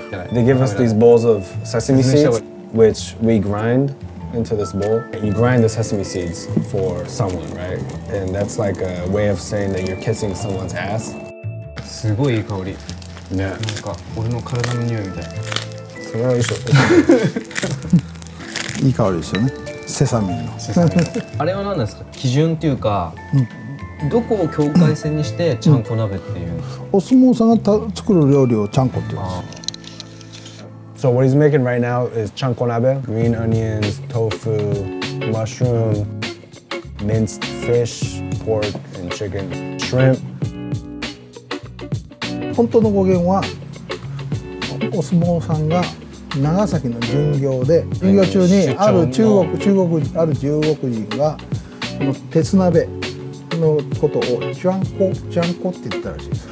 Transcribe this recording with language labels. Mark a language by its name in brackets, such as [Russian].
[English] They give us these bowls of sesame seeds which we grindinto this bowl. You grind the sesame seeds for someone, right? And that's like a way of saying that you're kissing someone's ass. [Japanese] すごいいい香り。ね。なんか俺の体の匂いみたいな。それはいいしょ。いい香りですよね。セサミンの。あれは何ですか？基準というか、どこを境界線にしてちゃんこ鍋っていう。お相撲さんが作る料理をちゃんこって言うんです。 [English] So what he's making right now is chanko nabe, green onions, tofu, mushroom, minced fish, pork, and chicken, shrimp. [Japanese] 本当の語源はお相撲さんが長崎の巡業で、巡業中にある中国ある中国人がこの鉄鍋のことをチャンコって言ったらしいです。